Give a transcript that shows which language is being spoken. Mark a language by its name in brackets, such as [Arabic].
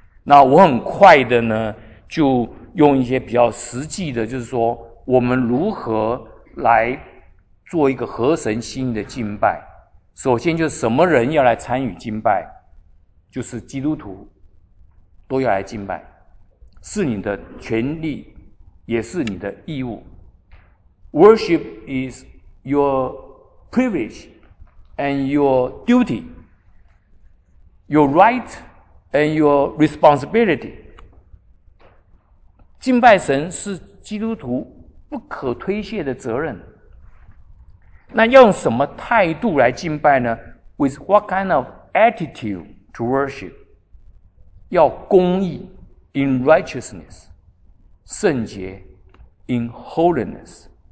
[Chinese] 那我很快的呢，就用一些比较实际的，就是说我们如何来做一个合神心意的敬拜。首先就是什么人要来参与敬拜，就是基督徒都要来敬拜，是你的权利，也是你的义务。 [English] Worship is your privilege and your duty, your right and your responsibility. [Chinese] 敬拜神是基督徒不可推卸的责任。那要用什么态度来敬拜呢？ [English] With what kind of attitude to worship? [Chinese] 要公义 [English] in righteousness, [Chinese] 圣洁 [English] in holiness.